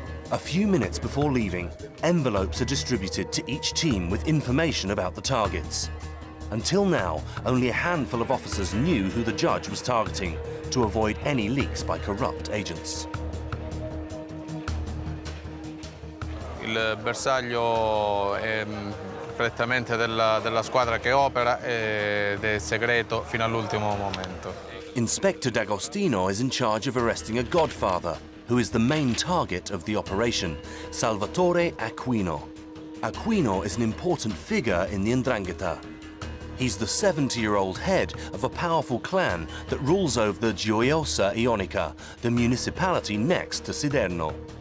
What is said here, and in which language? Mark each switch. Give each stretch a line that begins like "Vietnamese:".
English: A few minutes before leaving, envelopes are distributed to each team with information about the targets. Until now, only a handful of officers knew who the judge was targeting to avoid any leaks by corrupt agents.
Italian: Il bersaglio è prettamente della squadra che opera ed è segreto fino all'ultimo momento.
English: Inspector D'Agostino is in charge of arresting a godfather, who is the main target of the operation, Salvatore Aquino. Aquino is an important figure in the Ndrangheta. He's the 70-year-old head of a powerful clan that rules over the Gioiosa Ionica, the municipality next to Siderno.